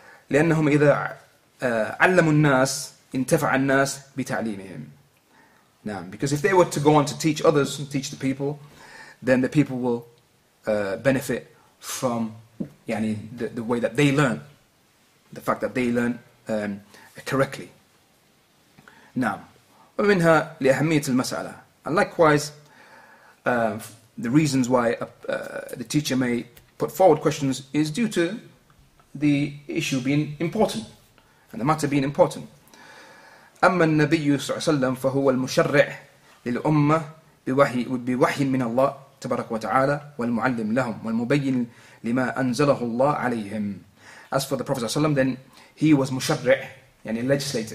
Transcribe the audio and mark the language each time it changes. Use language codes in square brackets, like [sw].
[ar] لأنهم إذا علموا الناس انتفع الناس بتعليمهم. [en] Now, because if they were to go on to teach others, teach the people, then the people will benefit from يعني the way that they learn, the fact that they learn correctly. [ar] Now, ومنها لأهمية المسألة. [en] And likewise, the reasons why the teacher may put forward questions is due to the issue being important and the matter being important. [ar] أما النبي صلى الله عليه وسلم فهو المشرع للأمة بوحي من الله تبارك وتعالى والمعلم لهم والمبين لما أنزله الله عليهم. [en] As for the Prophet [ar] صلى الله عليه وسلم, [en] then he was مشرع, يعني legislator.